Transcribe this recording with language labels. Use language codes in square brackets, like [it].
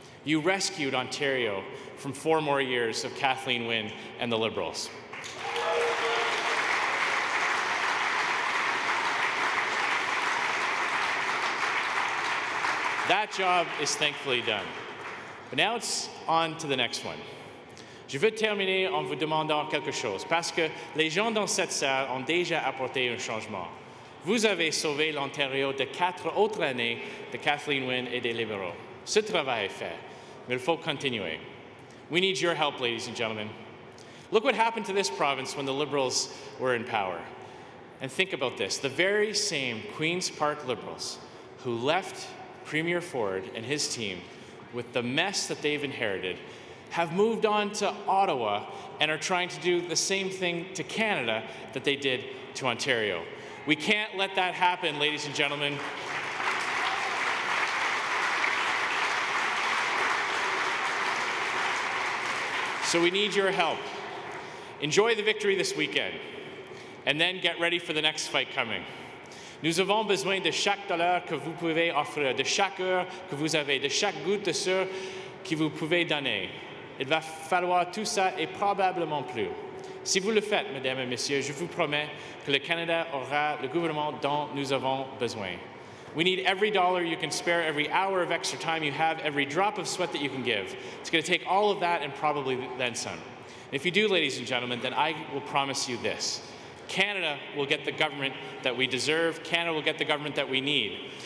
[en] You rescued Ontario from 4 more years of Kathleen Wynne and the Liberals. That job is thankfully done. But now it's on to the next one. [fr] Je veux terminer en vous demandant quelque chose, parce que les gens dans cette salle ont déjà apporté un changement. Vous avez sauvé l'Ontario de 4 autres années de Kathleen Wynne et des Libéraux. Ce travail est fait, mais il faut continuer. [en] We need your help, ladies and gentlemen. Look what happened to this province when the Liberals were in power. And think about this, the very same Queen's Park Liberals who left Premier Ford and his team with the mess that they've inherited have moved on to Ottawa and are trying to do the same thing to Canada that they did to Ontario. We can't let that happen, ladies and gentlemen. So we need your help. Enjoy the victory this weekend, and then get ready for the next fight coming. [fr] Nous avons besoin de chaque dollar que vous pouvez offrir, de chaque heure que vous avez, de chaque goutte de sueur que vous pouvez donner. Il va falloir tout ça et probablement plus. Si vous le faites, mesdames et messieurs, je vous promets que le Canada aura le gouvernement dont nous avons besoin. [en] We need every dollar you can spare, every hour of extra time you have, every drop of sweat that you can give. It's going to take all of that and probably then some. And if you do, ladies and gentlemen, then I will promise you this. Canada will get the government that we deserve. Canada will get the government that we need.